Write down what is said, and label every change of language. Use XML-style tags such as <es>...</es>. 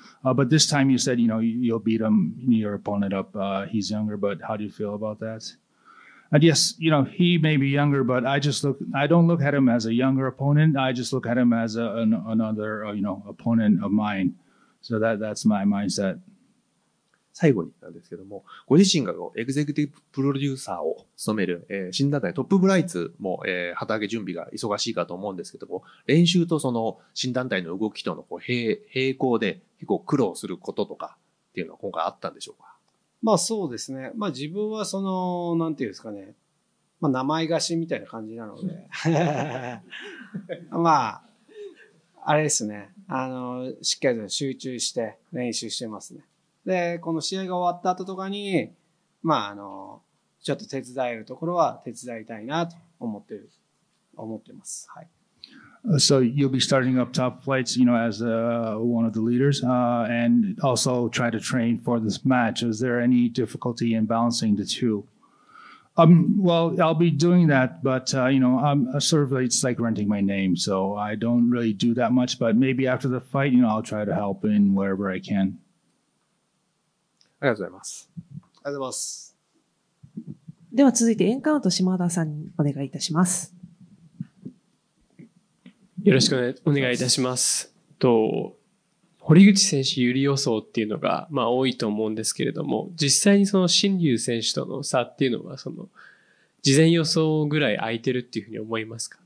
<en>But this time you said, you know, you'll beat him, your opponent up. He's younger, but how do you feel about that? And yes, you know, he may be younger, but I don't look at him as a younger opponent. I just look at him as another, you know, opponent of mine. So that's my mindset.</en> <ja>最後になんですけども、ご自身がエグゼクティブプロデューサーを務める、新団体トップブライツも、旗揚げ準備が忙しいかと思うんですけども、練習とその新団体の動きとの並行で結構苦労することとかっていうのは今回あったんでしょうか？そうですね。自分はその、なんていうんですかね。名前貸しみたいな感じなので。あれですね。しっかりと集中して練習してますね。で、この試合が終わった後とかに、ちょっと手伝えるところは手伝いたいなと思ってます。はい。</ja> <en>So you'll be starting up top flights, you know, as one of the leaders, and also try to train for this match. Is there any difficulty in balancing the two? Well, I'll be doing that, but, you know, I'm sort of, it's like renting my name, so I don't really do that much, but maybe after the fight, you know, I'll try to help in wherever I can.</en> <ja>ありがとうございます。ありがとうございます。では続いてエンカウント島田さんにお願いいたします。よろしくお願いいたします。と、堀口選手有利予想っていうのが、多いと思うんですけれども、実際にその新龍選手との差っていうのは、その、事前予想ぐらい空いてるっていうふうに思いますか？</ja>